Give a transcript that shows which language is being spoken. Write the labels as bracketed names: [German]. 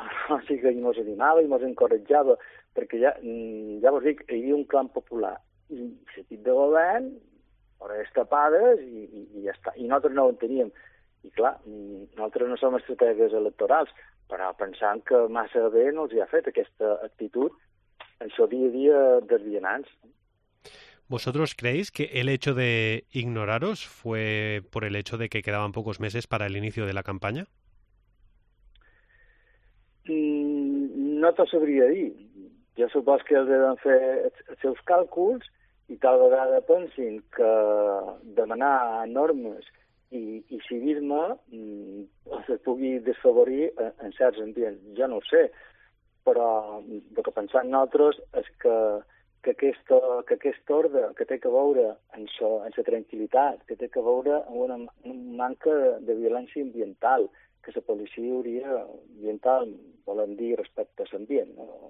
[Catalan] O sigui que ens animava i ens encoratjava, perquè ja vos dic, hi havia un clan popular i l'equip de govern orelles tapades i ja està. I nosaltres no ho teníem. I clar, nosaltres no som estratègies electorals, però pensant que massa bé no els hi ha fet aquesta actitud en el dia a dia dels vianants. [Spanish] ¿Vosotros creéis que el hecho de ignoraros fue por el hecho de que quedaban pocos meses para el inicio de la campaña? [Catalan] No te sabria dir. Jo suposo que els deuen fer els seus càlculs i tal vegada pensin que demanar normes i civisme els pugui desfavorir en certs ambients. Jo no ho sé, però el que pensem nosaltres és que aquesta ordre que té que veure en la tranquil·litat, que té que veure amb una manca de violència ambiental, que la policia hauria ambiental, volem dir respecte a l'ambient, no?